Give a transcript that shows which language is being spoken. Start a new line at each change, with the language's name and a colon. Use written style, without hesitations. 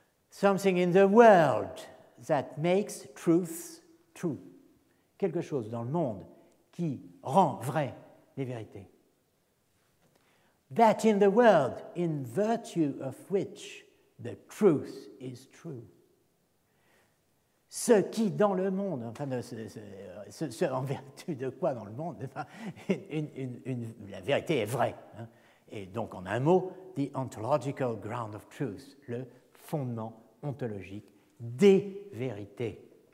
English: Something in the world that makes truth true.
French: Quelque chose dans le monde qui rend vrai les vérités.
English: That in the world, in virtue of which the truth is true.
French: Ce qui dans le monde, enfin, ce en vertu de quoi dans le monde, la vérité est vraie. Hein, et donc, en un mot, the ontological ground of truth, le fondement ontologique des vérités.